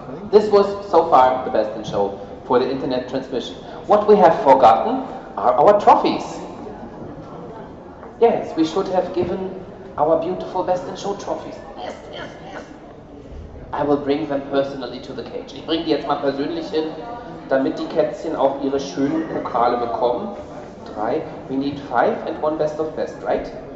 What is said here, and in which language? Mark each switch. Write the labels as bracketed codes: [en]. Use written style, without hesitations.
[en] This was so far the best in show for the internet transmission. What we have forgotten are our trophies. Yes, we should have given our beautiful Best in Show trophies. Yes, yes, yes. I will bring them personally to the cage. [de] Ich bringe die jetzt mal persönlich hin, damit die Kätzchen auch ihre schönen Pokale bekommen. Drei. [en] We need five and one best of best, right?